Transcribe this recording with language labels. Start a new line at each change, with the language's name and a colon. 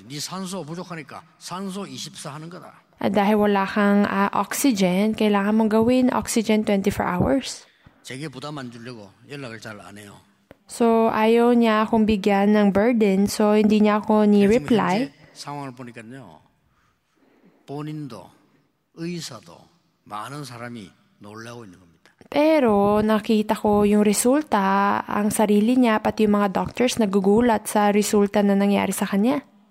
Korean: 네 산소 부족하니까 산소 24 하는 거다.
Filipino: At dahil wala kang oxygen, kailangan mo gawin oxygen
English: 24 hours.
Korean: 제게 부담 안 주려고 연락을 잘 안 해요.
Filipino: So ayaw niya akong bigyan ng burden, so hindi niya ako ni-reply.
Korean: 상황을 보니까요, 본인도 의사도 많은 사람이 놀라고 있는 겁니다.
Filipino: Pero nakita ko yung resulta, ang sarili niya, pati yung mga doctors nagugulat sa resulta na nangyari sa kanya.